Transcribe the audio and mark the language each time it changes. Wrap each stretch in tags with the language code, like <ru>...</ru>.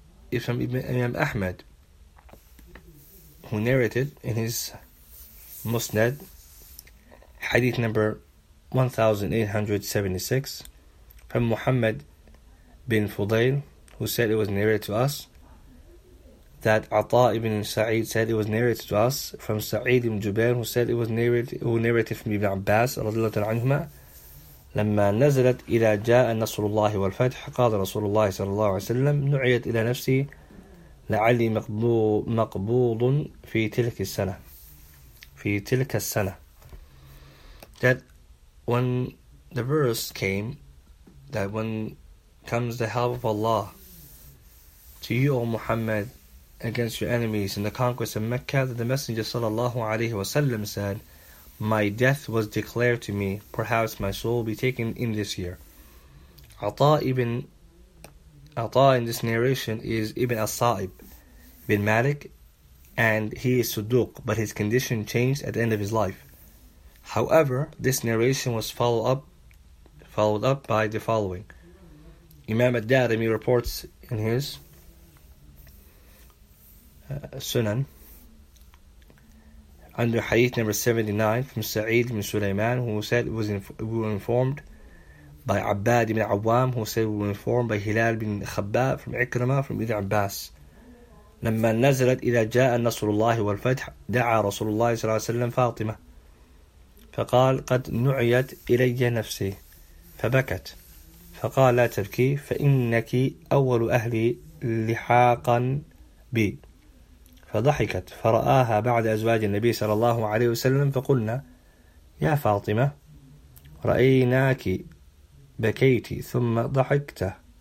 <en>is from Imam Ahmad, who narrated in his Musnad, hadith number 1876, from Muhammad bin Fudail, who said it was narrated to us, that Ata ibn Sa'id said it was narrated to us from Sa'id ibn Jubair, who said it was narrated, from Ibn Abbas radiallahu ta'ala anhuma.</en> <ar>لما نزلت إلى جاء نصر الله والفتح قال رسول الله صلى الله عليه وسلم نعيت إلى نفسي لعلي مقبوض في تلك السنة في تلك السنة.</ar> <en>That when the verse came, that when comes the help of Allah to you, O Muhammad, against your enemies in the conquest of Mecca, that the Messenger</en> <ar>صلى الله عليه وسلم</ar> <en>said, my death was declared to me, perhaps my soul will be taken in this year. Ata in this narration is Ibn As-Sa'ib, Ibn Malik, and he is Sudduq, but his condition changed at the end of his life. However, this narration was followed up by the following. Imam Ad-Darimi reports in his Sunan, under hadith number 79 from Sa'id ibn Sulaiman, who said we were informed by Abbad ibn Awam, who said we were informed by Hilal ibn Khabbab from Ikramah, from Ibn Abbas.</en> <ar>لما نزلت إلى جاء النصر الله والفتح دعا رسول الله صلى الله عليه وسلم فاطمة فقال قد نعيت إلي نفسي فبكت فقال لا تبكي فإنك أول أهلي لحاقا بي فضحكت فرآها بعد أزواج النبي صلى الله عليه وسلم فقلنا يا فاطمة رأيناك بكيت ثم ضحكت</ar>